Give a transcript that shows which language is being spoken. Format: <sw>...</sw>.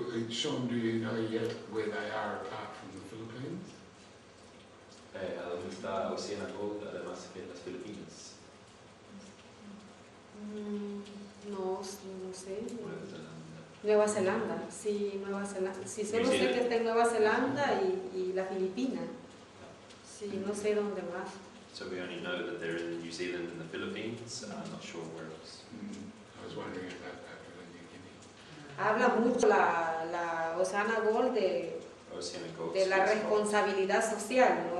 <en>Sean, do you know yet where they are apart from the Philippines?</en> <es>¿A dónde está Oceana Gold, además de las Filipinas? No, no sé. Nueva Zelanda. Sí, Nueva Zelanda. Sí, solo sé que está en Nueva Zelanda y la Filipina. Sí, no sé dónde más.</es> <en>So we only know that they're in New Zealand and the Philippines. I'm not sure where else. I was wondering about that.</en> <es>Habla mucho la Oceana Gold de la responsabilidad social, ¿no?</es>